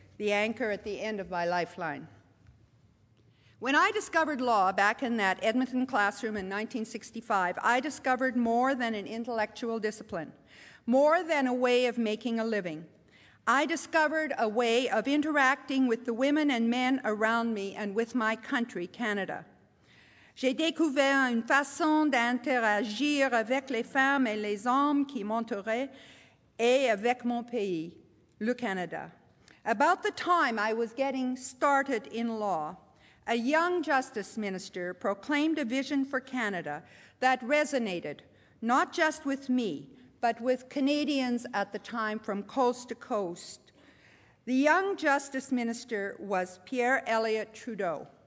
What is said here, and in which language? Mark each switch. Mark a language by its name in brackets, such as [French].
[English] the anchor at the end of my lifeline. When I discovered law back in that Edmonton classroom in 1965, I discovered more than an intellectual discipline, more than a way of making a living. I discovered a way of interacting with the women and men around me and with my country, Canada. [French] J'ai découvert une façon d'interagir avec les femmes et les hommes qui m'entouraient et avec mon pays, le Canada. [English] About the time I was getting started in law, a young justice minister proclaimed a vision for Canada that resonated not just with me, but with Canadians at the time from coast to coast. The young justice minister was Pierre Elliott Trudeau.